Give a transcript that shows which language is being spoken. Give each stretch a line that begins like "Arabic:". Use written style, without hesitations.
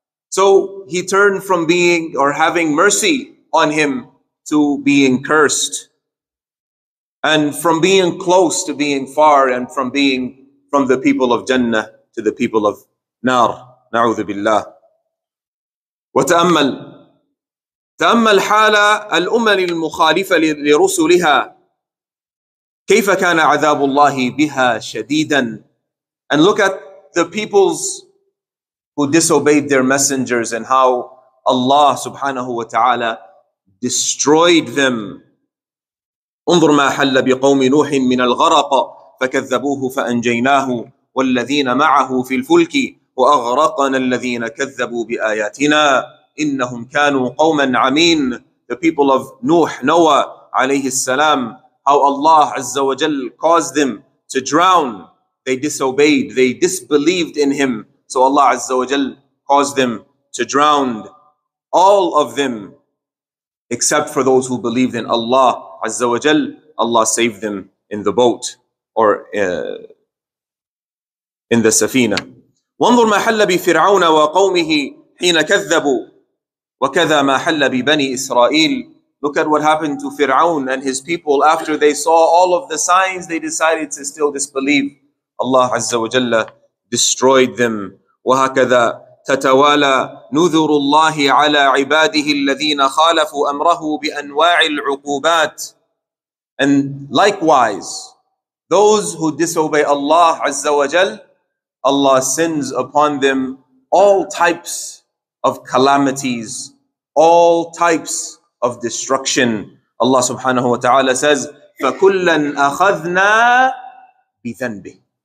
English: So he turned from being or having mercy on him to being cursed. And from being close to being far, and from being from the people of Jannah to the people of Nar.
Arabic: Na'udhu billah. وتأمل تأمل حال الأمم المخالفة لرسلها كيف كان عذاب الله بها شديدا
English: And look at the peoples who disobeyed their messengers and how Allah subhanahu wa ta'ala destroyed them.
Arabic: انظر ما حل بقوم نوح من الغرق فكذبوه فأنجيناه والذين معه في الفلك وأغرقنا الذين كذبوا بآياتنا إنهم كانوا قوما عمين.
English: The people of Nuh, Noah alayhi salam, how Allah azza wa jal caused them to drown. They disobeyed, they disbelieved in him, so Allah azza wa jal caused them to drown, all of them except for those who believed in Allah azza wa jal. Allah saved them in the boat or in the safina.
Arabic: وانظر ما حل بفرعون وقومه حين كذبوا وكذا ما حل ببني إسرائيل.
English: Look at what happened to Fir'aun and his people after they saw all of the signs, they decided to still disbelieve. Allah Azza wa Jalla destroyed them.
Arabic: وهكذا تتوالى نذر الله على عباده الذين خالفوا أمره بأنواع العقوبات.
English: And likewise, those who disobey Allah Azza wa Jalla, Allah sends upon them all types of calamities, all types of destruction. Allah subhanahu wa ta'ala says,
Arabic: فَكُلًّا أَخَذْنَا بِذَنْبِهِ.